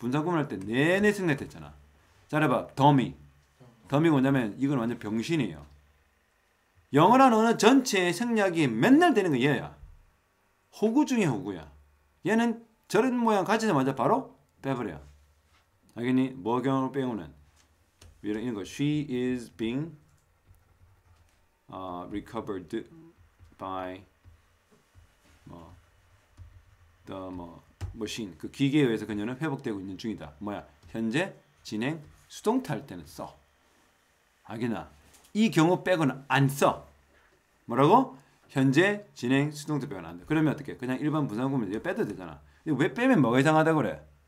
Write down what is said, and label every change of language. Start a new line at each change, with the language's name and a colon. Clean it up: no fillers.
Korean: 분사 구분할 때 내내 생략됐잖아. 잘해봐. 더미. 더미가 뭐냐면 이건 완전 병신이에요. 영어란 언어 전체의 생략이 맨날 되는 거 얘야. 호구 중에 호구야. 얘는 저런 모양 가지자마자 바로 빼버려. 알겠니? 뭐 경우로 빼오는? 이런 거.
English: She is being recovered by 뭐 the 뭐 machine.
Korean: 그 기계에 의해서 그녀는 회복되고 있는 중이다. 뭐야? 현재 진행 수동태 할 때는 써. 알겠나? 이 경우 빼고는 안 써. 뭐라고? 현재 진행 수동태 빼고는 안 돼. 그러면 어떻게? 그냥 일반 분사구문 이거 빼도 되잖아. 왜 빼면 뭐가 이상하다고 그래?